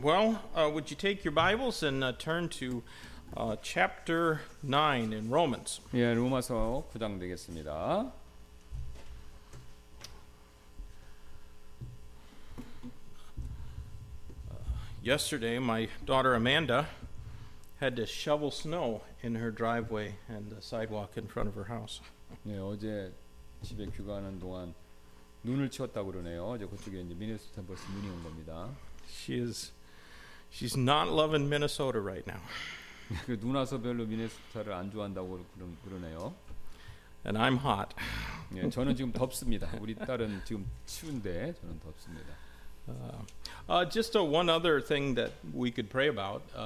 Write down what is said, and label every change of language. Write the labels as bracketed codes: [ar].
[en] Well, would you take your Bibles and turn to chapter 9 in Romans? [ko] 예, 로마서 9장 되겠습니다. [en] Yesterday, my daughter Amanda had to shovel snow in her driveway and the sidewalk in front of her house. [ko] 네, 어제 집에 귀가하는 동안 눈을 치웠다고 그러네요. 어제 그쪽에 이제 미네소타 벌써 눈이 온 겁니다. [en] She's not loving Minnesota right now. [ko] 그 눈 와서 별로 미네소타를 안 좋아한다고 그러네요. [en] And I'm hot. [ko] 네, 저는 지금 덥습니다. 우리 딸은 지금 추운데 저는 덥습니다. [en] Just one other thing that we could pray about.